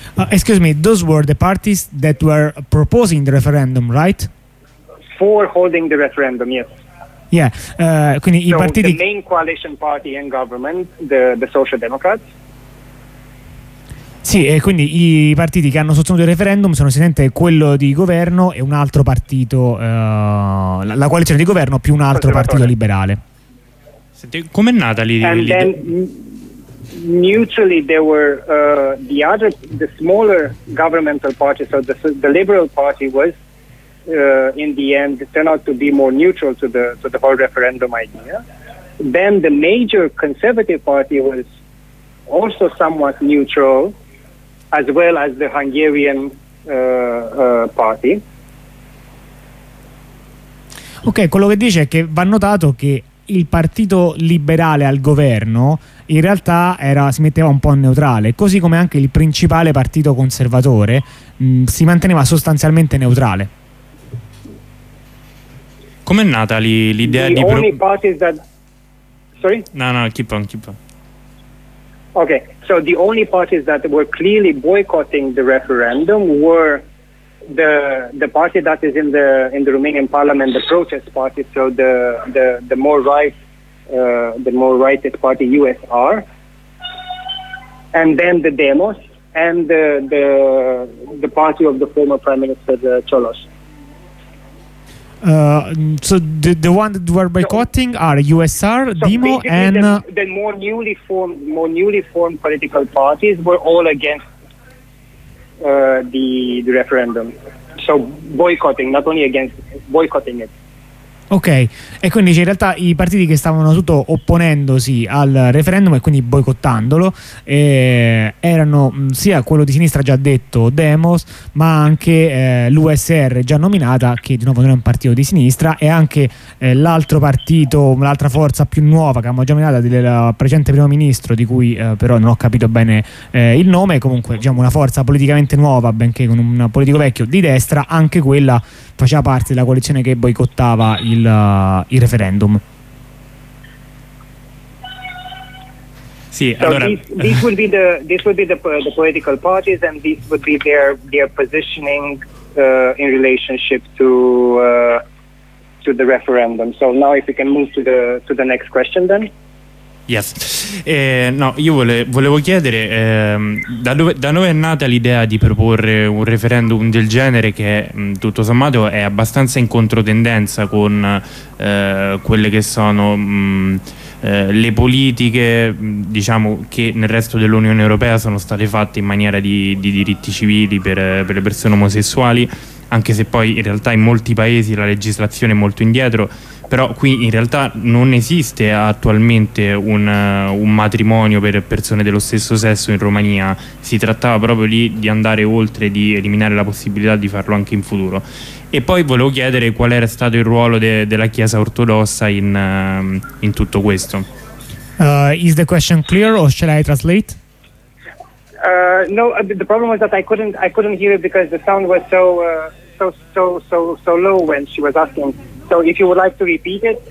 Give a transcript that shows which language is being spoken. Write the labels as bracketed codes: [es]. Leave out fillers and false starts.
[en] Excuse me, those were the parties that were proposing the referendum, right? For holding the referendum, yes. [it] Yeah, quindi [en] so [it] I partiti, [en] the main coalition party in government, the Social Democrats. [it] Sì, e quindi i partiti che hanno sostenuto il referendum sono sicuramente quello di governo e un altro partito, la coalizione di governo più un altro partito liberale. Senti, com'è nata l'idea? [en] And then mutually there were the smaller governmental parties, so the Liberal Party was in the end turn out to be more neutral to the whole referendum idea. Then the major conservative party was also somewhat neutral, as well as the Hungarian party. [it] Ok, quello che dice è che va notato che il partito liberale al governo in realtà si metteva un po' neutrale, così come anche il principale partito conservatore si manteneva sostanzialmente neutrale. Com'è nata l'idea di... [en] Okay, so the only parties that were clearly boycotting the referendum were the party that is in the Romanian parliament, the protest party, so the more right the more rightist party, USR, and then the Demos, and the party of the former prime minister Cholos. So the one that were boycotting are USR, so Demo, and the more newly formed political parties were all against the referendum. So boycotting, not only against, boycotting it. [it] Ok, e quindi in realtà i partiti che stavano tutto opponendosi al referendum e quindi boicottandolo erano sia quello di sinistra già detto Demos, ma anche l'USR già nominata, che di nuovo non è un partito di sinistra, e anche l'altro partito, l'altra forza più nuova che abbiamo già nominata, del precedente primo ministro, di cui però non ho capito bene il nome, comunque diciamo una forza politicamente nuova, benché con un politico vecchio di destra, anche quella faceva parte della coalizione che boicottava il referendum. Sì, [en] so [it] allora [en] this would be the political parties, and this would be their positioning in relationship to to the referendum. So now if we can move to the next question then. Yes. [it] No, io volevo chiedere da dove è nata l'idea di proporre un referendum del genere che tutto sommato è abbastanza in controtendenza con quelle che sono le politiche, diciamo, che nel resto dell'Unione Europea sono state fatte in maniera di diritti civili per le persone omosessuali, anche se poi in realtà in molti paesi la legislazione è molto indietro. Però qui in realtà non esiste attualmente un matrimonio per persone dello stesso sesso in Romania, si trattava proprio di andare oltre, di eliminare la possibilità di farlo anche in futuro. E poi volevo chiedere qual era stato il ruolo della Chiesa Ortodossa in tutto questo. [en] Is the question clear or shall I translate? No, the problem was that I couldn't hear it because the sound was so low when she was asking. So if you would like to repeat it.